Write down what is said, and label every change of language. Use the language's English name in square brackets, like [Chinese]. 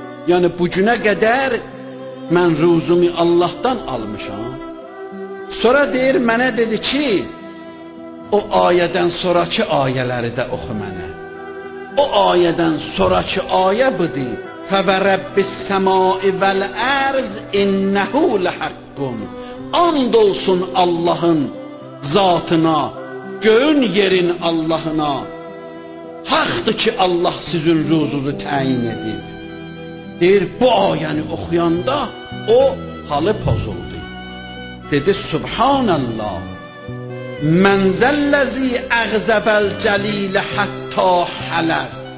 [Azerbaijani] Yəni, bugünə qədər mən ruzumu Allahdan almışam. Sonra deyir, mənə dedi ki, o ayədən sonraki ayələri də oxu mənə. O ayədən sonraki ayə budur. [Arabic] فَوَرَبِّ السَّمَاءِ وَالْأَرْضِ اِنَّهُ لَحَقٌّ. [Azerbaijani] And olsun Allahın zatına, göğün yerin Allahına. Haqdır ki, Allah sizin ruzunu təyin edir. Deyir, bu ayəni oxuyanda o halı pozuldu. Dedi, [Arabic] Subhanallah. مَنْ زَلَّذِي اَغْزَبَ الْجَلِيلَ حَتَّى حَلَقٍ.